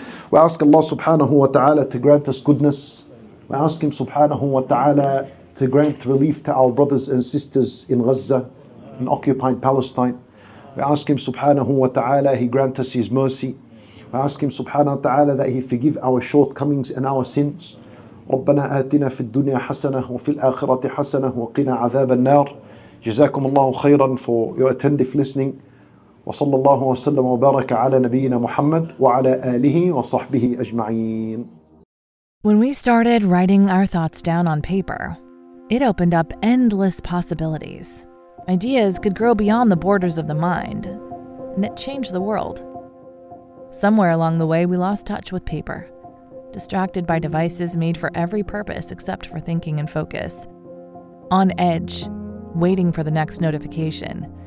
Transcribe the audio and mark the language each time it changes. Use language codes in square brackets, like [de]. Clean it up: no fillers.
[en] We ask Allah subhanahu wa ta'ala to grant us goodness. We ask Him subhanahu wa ta'ala to grant relief to our brothers and sisters in Gaza, in occupied Palestine. We ask Him subhanahu wa ta'ala, He grant us His mercy. We ask Him subhanahu wa ta'ala that He forgive our shortcomings and our sins. [ar] ربنا آتنا في الدنيا حسنة وفي الآخرة حسنة وقنا عذاب النار. جزاكم الله خيرا [en] for your attentive listening. [ar] وصلى الله وسلم وبارك على نبينا محمد وعلى آله وصحبه أجمعين. [en] When we started writing our thoughts down on paper, it opened up endless possibilities. Ideas could grow beyond the borders of the mind, and it changed the world. Somewhere along the way, we lost touch with paper, distracted by devices made for every purpose except for thinking and focus, on edge, waiting for the next notification.